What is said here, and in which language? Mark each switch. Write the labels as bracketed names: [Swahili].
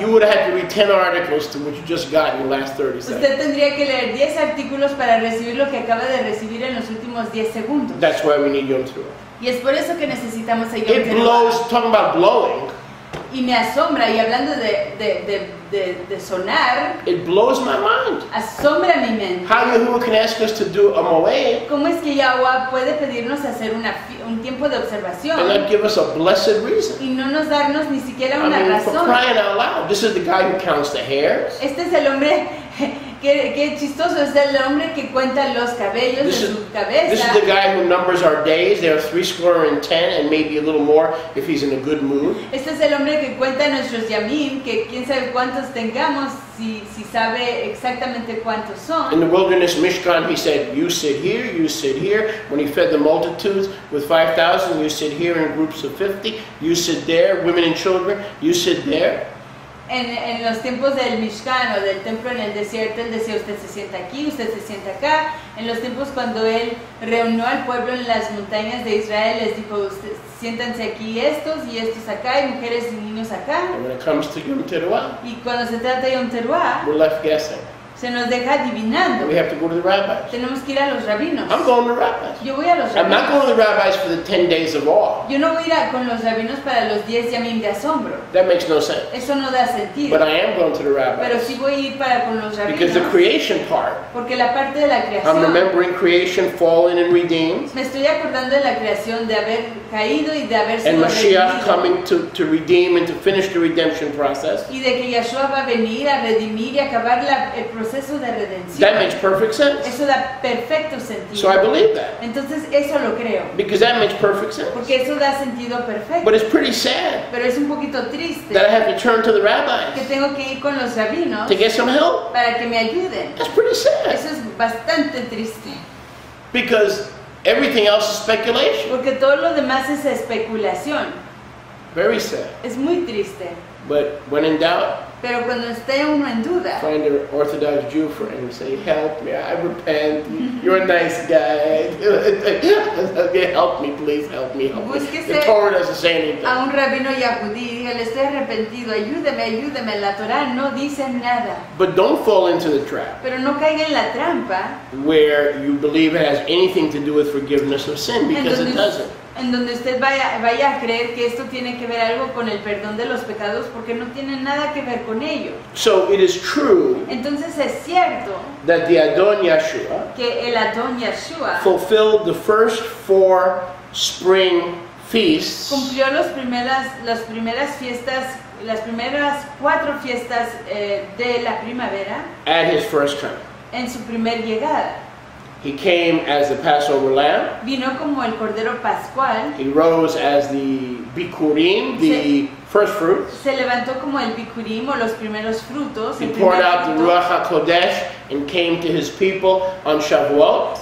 [English] You would have had to read 10 articles to what you just got in the last 30 seconds. [Spanish] Usted tendría que leer 10 artículos para recibir lo que acaba de recibir en los últimos 10 segundos. [English] That's why we need Yom Teruah. [Spanish] Y es por eso que necesitamos a Yom [English] Teruah. It blows, talking about blowing. [Spanish] Y me asombra, y hablando de sonar, [English] it blows my mind. [Spanish] Asombra mi mente. [English] How Yahuwah can ask us to do a moed? [Spanish] ¿Cómo es que Yahuwah puede pedirnos hacer un tiempo de observación? [English] And not give us a blessed reason. [Spanish] Y no nos darnos ni siquiera una razón. [English] For crying out loud, this is the guy who counts the hairs. [Spanish] Este es el hombre. Qué chistoso, es el hombre que cuenta los cabellos de su cabeza. [English] This is the guy who numbers our days. There are 70 and maybe a little more if he's in a good mood. [Spanish] Este es el hombre que cuenta nuestros yamim, que quién sabe cuántos tengamos, si sabe exactamente cuántos son. [English] In the wilderness Mishkan, he said, you sit here, you sit here. When he fed the multitudes with 5,000, you sit here in groups of 50. You sit there, women and children, you sit there. [Spanish] En los tiempos del Mishkan, o del templo en el desierto, él decía, usted se sienta aquí, usted se sienta acá. En los tiempos cuando él reunió al pueblo en las montañas de Israel, les dijo, usted, siéntanse aquí estos y estos acá, y mujeres y niños acá. [English] And when it comes to Yom Teruah, [Spanish] y cuando se trata de Yom Teruah, [English] we're left guessing. [Spanish] Se nos deja adivinando. [English] We have to go to the rabbis. [Spanish] Tenemos que ir a los rabinos. [English] I'm going to the rabbis. [Spanish] Yo voy a los [English] rabinos. I'm not going to the rabbis for the 10 days of awe. [Spanish] Yo no voy a ir con los rabinos para los 10 yamim de asombro. [English] That makes no sense. [Spanish] Eso no da sentido. [English] But I am going to the rabbis. [Spanish] Pero sí voy a ir para con los rabinos. [English] Because the creation part. [Spanish] Porque la parte de la creación. [English] I'm remembering creation, fallen and redeemed. [Spanish] Me estoy acordando de la creación, de haber caído y de haber sido and Mashiach redimido. [English] Coming to redeem and to finish the redemption process. [Spanish] Y de que Yeshua va a venir a redimir y acabar la [English] That makes perfect sense. [Spanish] Eso da perfecto sentido. [English] So I believe that. [Spanish] Entonces eso lo creo. [English] Because that makes perfect sense. [Spanish] Porque eso da sentido perfecto. [English] But it's pretty sad. [Spanish] Pero es un poquito triste. [English] That I have to turn to the rabbis. [Spanish] Que tengo que ir con los rabinos. [English] To get some help. [Spanish] Para que me ayuden. [English] That's pretty sad. [Spanish] Eso es bastante triste. [English] Because everything else is speculation. [Spanish] Porque todo lo demás es especulación. [English] Very sad. [Spanish] Es muy triste. [English] But when in doubt. [Spanish] Pero cuando esté uno en duda, [English] find an Orthodox Jew friend and say, "Help me! I repent. You're a nice guy. Okay, help me, please. Help me. Help [Spanish] Búsquese [English] me." The Torah doesn't say anything. [Spanish] A un rabino yahudí, dígale, "Estoy arrepentido. Ayúdeme, ayúdeme. La Torah no dice nada." [English] But don't fall into the trap. [Spanish] Pero no caiga en la trampa. [English] Where you believe it has anything to do with forgiveness of sin, because it doesn't. [Spanish] En donde usted vaya a creer que esto tiene que ver algo con el perdón de los pecados, porque no tiene nada que ver con ello. [English] So it is true. [Spanish] Entonces es cierto. [English] That the Adon Yeshua. [Spanish] Que el Adon Yeshua. [English] Fulfilled the first four spring feasts. [Spanish] Cumplió las primeras fiestas, las primeras cuatro fiestas de la primavera. [English] At his first coming. [Spanish] En su primer llegada. [English] He came as the Passover lamb. [Spanish] Vino como el cordero pascual. [English] He rose as the bikurim, the first fruits. [Spanish] Se levantó como el bikurim o los primeros frutos. [English] He poured out the Ruach HaKodesh and came to his people on Shavuot.